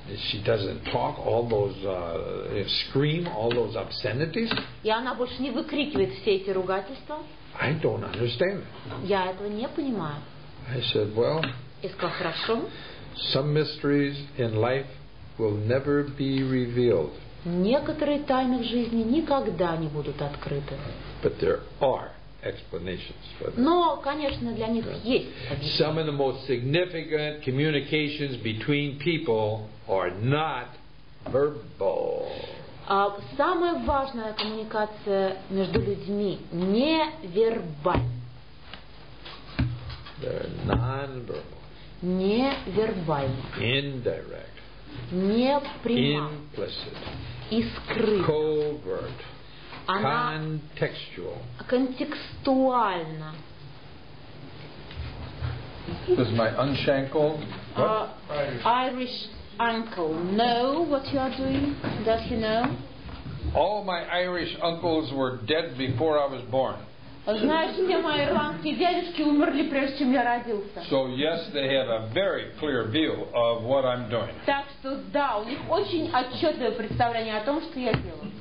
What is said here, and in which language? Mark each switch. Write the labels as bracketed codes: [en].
[en] She doesn't talk all those scream all those obscenities. [ru] И она больше не выкрикивает все эти ругательства. [en] I don't understand. [ru] Я этого не понимаю. [en] I said, well. [ru] И сказал, хорошо. [en] Some mysteries in life will never be revealed. [ru] Некоторые тайны в жизни никогда не будут открыты. [en] But there are explanations for them. [ru] Но, конечно, для них есть объяснение. [en] Some of the most significant communications between people are not verbal. [ru] Самая важная коммуникация между людьми не вербальна. [en] They're non-verbal. [ru] Невербально. [en] Indirect. [ru] Непрямо. [en] Implicit. [ru] И скрыто. [en] Covert. [ru] Она [en] contextual. [ru] Контекстуально. [en] This is my unshankle. Irish uncle know what you are doing? Does he know? All my Irish uncles were dead before I was born. [ru] Знаешь, все мои ирландские дядюшки умерли, прежде чем я родился. [en] So yes, they have a very clear view of what I'm doing. [ru] Так что да, у них очень отчетливое представление о том, что я делаю.